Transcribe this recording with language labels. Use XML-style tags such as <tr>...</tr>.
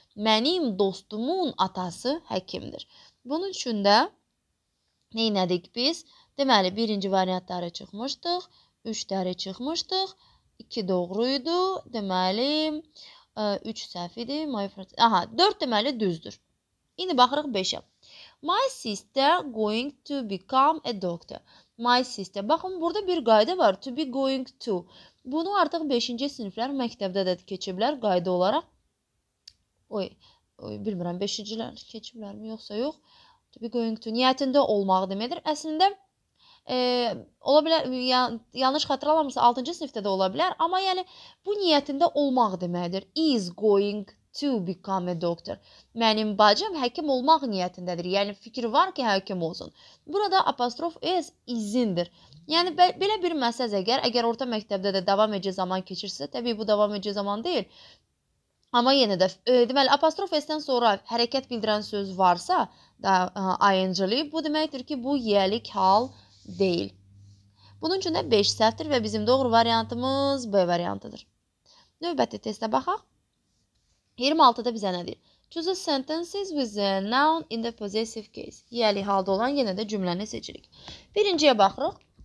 <az>Mənim dostumun atası həkimdir. Bunun üçün də neynədik biz? Deməli, birinci variantları çıxmışdıq, üçləri çıxmışdıq, iki doğruydu, deməli, üç səhv idi,</az> <en>my friends.</en> <az>Aha, dörd deməli, düzdür. İndi baxırıq 5-ə.</az> <en>My sister going to become a doctor. My sister.</en> <az>Baxın, burada bir qayda var.</az> <en>To be going to.</en> <az>Bunu artıq 5-ci siniflər məktəbdə də keçiblər qayda olaraq. Oy, bilmirəm, 5-cilər keçiblərmi, yoxsa yox.</az> <en>To be going to.</en> <az>Niyyətində olmaq deməkdir. Əslində, ola bilər, yanlış xatırlamırsa 6-cı sinifdə də ola bilər. Amma yəni, bu niyyətində olmaq deməkdir.</az> <en>Is going to become a doctor.</en> <az>Mənim bacım həkim olmaq niyyətindədir. Yəni, fikir var ki, həkim olsun. Burada apostrof is, isindir. Yəni, belə bir məsələ əgər orta məktəbdə də davam edici zaman keçirsə, təbii bu davam edici zaman deyil. Amma yenə də, deməli, apostrof s-dən sonra hərəkət bildirən söz varsa, ing-li, bu deməkdir ki, bu yiyəlik hal deyil. Bunun üçün də 5 səhvdir və bizim doğru variantımız B variantıdır. Növbəti testə baxaq. 26-da bizə nə deyir?</az> <en>Choose sentences with a noun in the possessive case.</en> <az>Yəli halda olan yenə də cümləni seçirik. Birinciyə baxırıq.</az>